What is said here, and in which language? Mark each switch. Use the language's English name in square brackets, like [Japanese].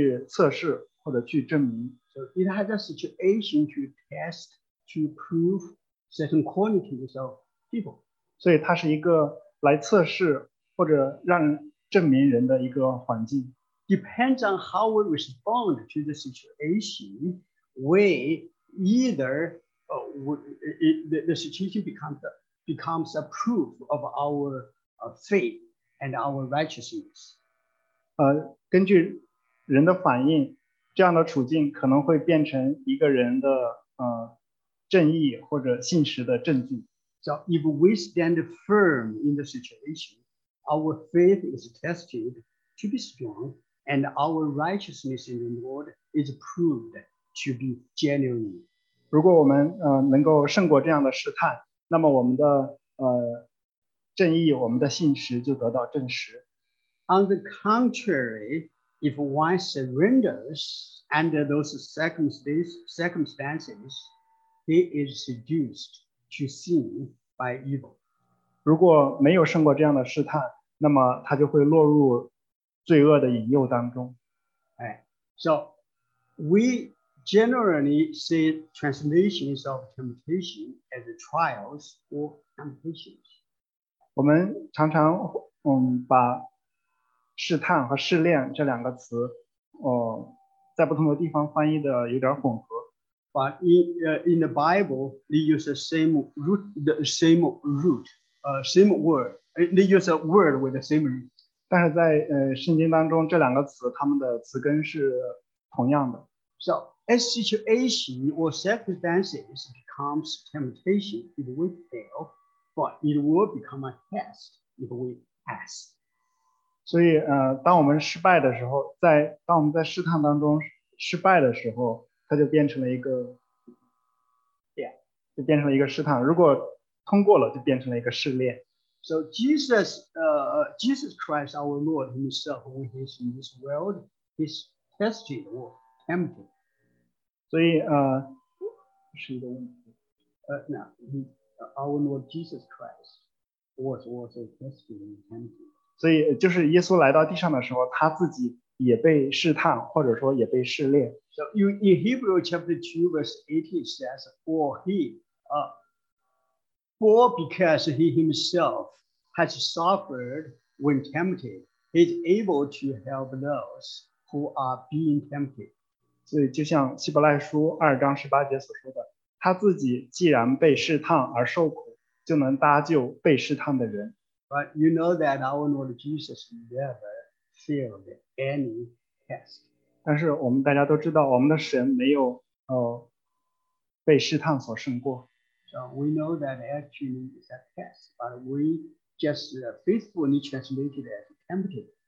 [Chinese] 它的意思就是去测试或者去证明。 [English] So it has a situation to test, to prove certain qualities of people. [Chinese] 所以它是一个来测试或者让证明人的一个环境。 [English] Depends on how we respond to the situation, we either the situation becomes a proof of our faith and our righteousness. [Chinese] 根据人的反应, 这样的处境可能会变成一个人的 正义或者信实的证据。 [English] So if we stand firm in the situation, our faith is tested to be strong, and our righteousness in the Lord is proved to be genuine. [Chinese] 如果我们 能够胜过这样的试探, 那么我们的 正义, 我们的信实就得到证实。 [English] On the contrary, if one surrenders under those circumstances, he is seduced to sin by evil. [Chinese] 如果没有胜过这样的试探, 那么他就会落入罪恶的引诱当中。 [English] So we generally see translations of temptation as trials or temptations. [Chinese] 我们常常 把试探和试炼这两个词 在不同的地方翻译的有点混合。 [English] But in the Bible, they use the same root, same word. They use a word with the same root. [Chinese] 但是在 圣经当中，这两个词它们的词根是同样的。 [English] So a situation or circumstances becomes temptation if we fail, but it will become a test if we pass. [Chinese] 所以 当我们失败的时候, 当我们在试探当中失败的时候, 它就变成了一个 就变成了一个试探，如果通过了，就变成了一个试炼。 [English] So Jesus, Jesus Christ, our Lord Himself, when He's in this world, He's tested or tempted. [Chinese] 所以, [English] 那 our Lord Jesus Christ was also tested and tempted. [Chinese] 所以就是耶稣来到地上的时候，他自己也被试探，或者说也被试炼。 [English] So you in Hebrew chapter 2 verse 18 says, "For He." For because he himself has suffered when tempted, he is able to help those who are being tempted. [Chinese] 所以就像希伯来书二章十八节所说的，他自己既然被试探而受苦，就能搭救被试探的人。 [English] But you know that our Lord Jesus never failed any test. [Chinese] 但是我们大家都知道，我们的神没有 被试探所胜过。 [English] So we know that actually it's a test, but we just faithfully translated it as tempted.